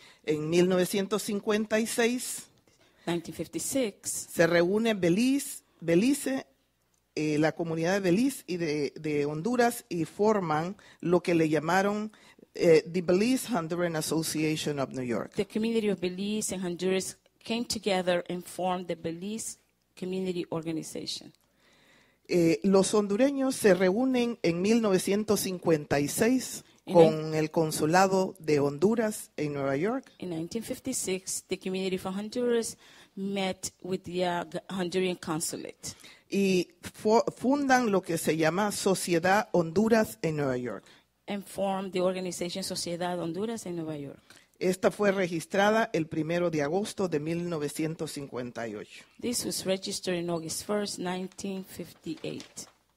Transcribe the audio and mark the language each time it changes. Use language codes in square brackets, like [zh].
[es] En 1956 se reúne Belice, la comunidad de Belice y de Honduras y forman lo que le llamaron the Belize Honduran Association of New York. [en] The community of Belize and Honduras came together and formed the Belize Community Organization. [es] Los hondureños se reúnen en 1956 con el consulado de Honduras en Nueva York. [en] In 1956, the community from Honduras met with the Honduran consulate. [es] Y fundan lo que se llama Sociedad Honduras en Nueva York. [en] And formed the organization Sociedad Honduras en Nueva York. [es] Esta fue registrada el primero de agosto de 1958. [en] This was registered in August 1st, 1958.